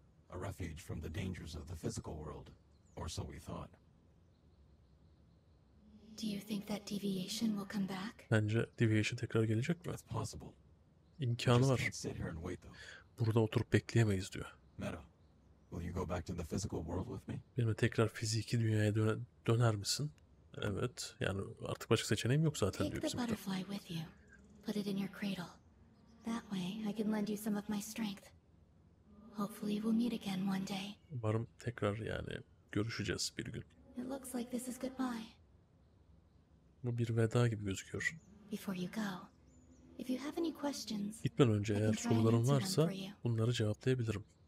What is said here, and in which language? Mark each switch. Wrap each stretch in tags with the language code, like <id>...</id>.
<en>A refuge from the dangers of the physical world. Or so we thought. Do you think that deviation will come back?</en> <tr>Bence deviation tekrar gelecek mi?</tr> <en>That's possible.</en> <tr>İmkanı var. Burada oturup bekleyemeyiz diyor.</tr> <en>Meta, will you go back to the physical world with me?</en> <tr>Benim tekrar fiziki dünyaya döner misin? Evet. Yani artık başka seçeneğim yok zaten diyor.</tr> <en>Take the butterfly with you. Put it in your cradle. That way I can lend you some of my strength. Hopefully we'll meet again one day.</en> <tr>Umarım tekrar yani görüşeceğiz bir gün.</tr> <en>It looks like this is goodbye.</en> <tr>Bu bir veda gibi gözüküyor.</tr> <en>Before you go, if you have any questions,</en> <tr>gitmeden önce eğer soruların varsa bunları cevaplayabilirim.</tr>